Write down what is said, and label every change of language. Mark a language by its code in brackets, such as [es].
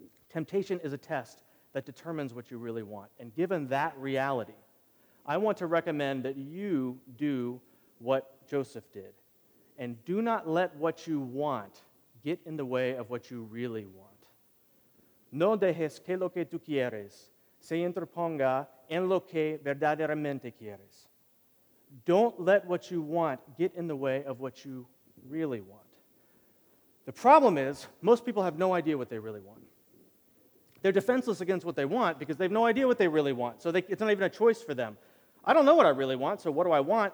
[en] Temptation is a test that determines what you really want. And given that reality, I want to recommend that you do what Joseph did. And do not let what you want get in the way of what you really want. [es] No dejes que lo que tú quieres se interponga en lo que verdaderamente quieres. [en] Don't let what you want get in the way of what you really want. The problem is, most people have no idea what they really want. They're defenseless against what they want because they have no idea what they really want. So it's not even a choice for them. I don't know what I really want, so what do I want?